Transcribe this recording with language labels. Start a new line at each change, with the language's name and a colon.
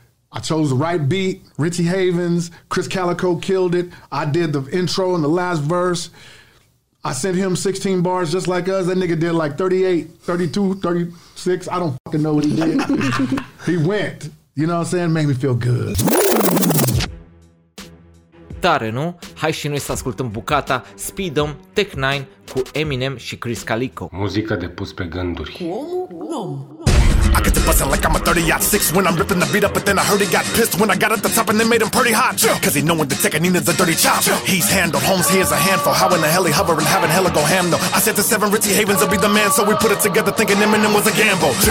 English: I chose the right beat, Richie Havens, Chris Calico killed it. I did the intro and the last verse. I sent him 16 bars just like us. That nigga did like 38, 32, 36. I don't fucking know what he did. He went. You know what I'm saying? Made me feel good.
Romanian: Tare, nu? Hai și noi să ascultăm bucata Speedum, Tech N9ne cu Eminem și Chris Calico. Muzica de pus pe gânduri.
English: I get to buzzing like I'm a 30-06 when I'm ripping the beat up, but then I heard he got pissed when I got at the top and they made him pretty hot. Cause he know when the tech and he needs a dirty chop. He's handled, Holmes, he is a handful. How in the hell he hovering, having hella go ham though. I said to Seven, Richie Havens will be the man, so we put it together thinking Eminem was a gamble.